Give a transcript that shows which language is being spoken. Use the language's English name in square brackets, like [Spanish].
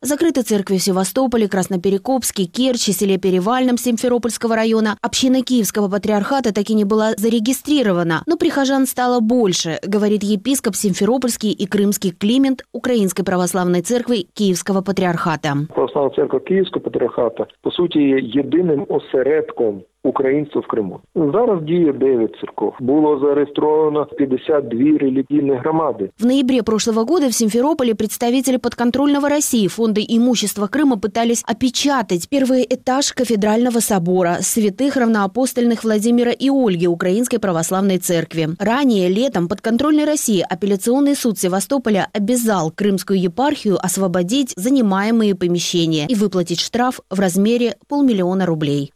[Russian] Закрыты церкви в Севастополе, Красноперекопске, Керчи, селе Перевальном Симферопольского района. Община Киевского Патриархата так и не была зарегистрирована. Но прихожан стало больше, говорит епископ Симферопольский и Крымский Климент Украинской Православной Церкви Киевского Патриархата. [Ukrainian] Православная Церковь Киевского Патріархата, по суті, є єдиним осередком українців в Криму. Зараз діє 9 церков. Було зареєстровано 52 релігійні громади. [Russian] В ноябре прошлого года в Симферополе представители подконтрольного России фонда имущества Крыма пытались опечатать первый этаж кафедрального собора святых равноапостольных Владимира и Ольги Украинской Православной Церкви. Ранее, летом, подконтрольный России апелляционный суд Севастополя обязал Крымскую епархию освободить занимаемые помещения и выплатить штраф в размере 500 000 рублей.